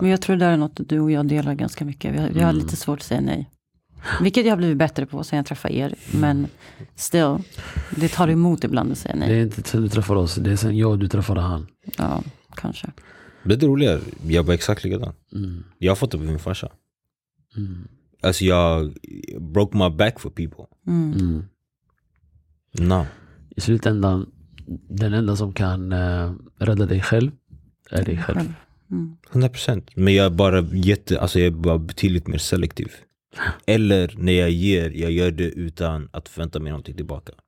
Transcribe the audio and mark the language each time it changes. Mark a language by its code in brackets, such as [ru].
[sv] Men jag tror det är något du och jag delar ganska mycket. Vi har lite svårt att säga nej. Vilket jag har blivit bättre på sen jag träffar er. Men still, det tar emot ibland att säga nej. Det är inte sen du träffar oss. Det är sen jag och du träffar han. Ja, kanske. Det är roligt. Jag var exakt likadan. Jag har fått det på min farsa. Alltså jag [en] broke my back for people. Mm. No. [sv] I slutändan, den enda som kan rädda dig själv är dig själv. Mm. 100%. Men jag är bara jätte, alltså jag är bara betydligt mer selektiv. Eller när jag gör det utan att förvänta mig någonting tillbaka.